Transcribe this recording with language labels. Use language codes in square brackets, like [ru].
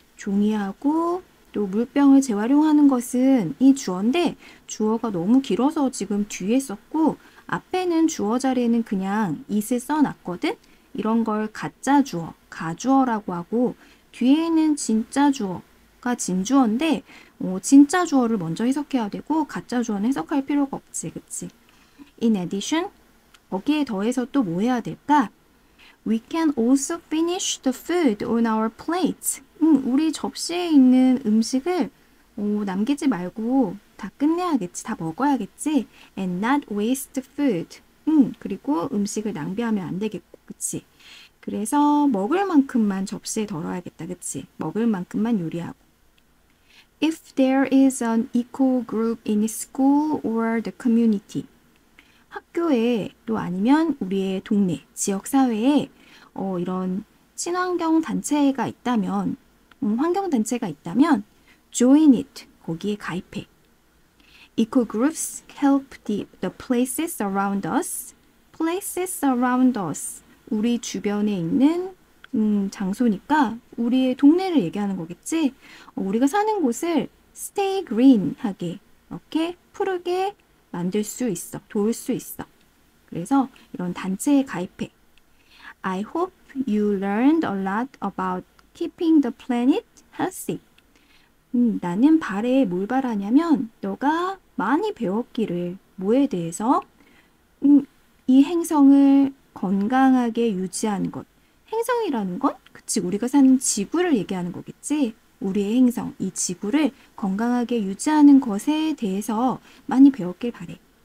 [ko] 종이하고 또 물병을 재활용하는 것은 이 주어인데, 주어가 너무 길어서 지금 뒤에 썼고, 앞에는 주어 자리에는 그냥 is을 써놨거든? 이런 걸 가짜 주어, 가주어라고 하고, 뒤에는 진짜 주어가 진주어인데, 진짜 주어를 먼저 해석해야 되고, 가짜 주어는 해석할 필요가 없지, 그치? [en] In addition, [ko] 거기에 더해서 또뭐 해야 될까? [en] We can also finish the food on our plates. [ko] 우리 접시에 있는 음식을 남기지 말고 다 끝내야겠지, 다 먹어야겠지. [en] And not waste food. [ko] 그리고 음식을 낭비하면 안 되겠고, 그치? 그래서 먹을 만큼만 접시에 덜어야겠다, 그치? 먹을 만큼만 요리하고. [en] If there is an eco group in school or the community. [ko] 학교에 또 아니면 우리의 동네, 지역 사회에 이런 친환경 단체가 있다면, 환경 단체가 있다면 [en] join it. [ko] 거기에 가입해. [en] Eco groups help the places around us. Places around us. [ko] 우리 주변에 있는 장소니까 우리의 동네를 얘기하는 거겠지? 우리가 사는 곳을 [en] stay green [ko] 하게 이렇게 푸르게 만들 수 있어. 도울 수 있어. 그래서 이런 단체에 가입해. [en] I hope you learned a lot about keeping the planet healthy. [ko] 나는 바래에 뭘 바라냐면 너가 많이 배웠기를 뭐에 대해서 이 행성을 건강하게 유지하는 것. 행성이라는 건 그치 우리가 사는 지구를 얘기하는 거겠지? 우리의 행성, 이 지구를 건강하게 유지하는 것에 대해서 많이 배웠길 바래.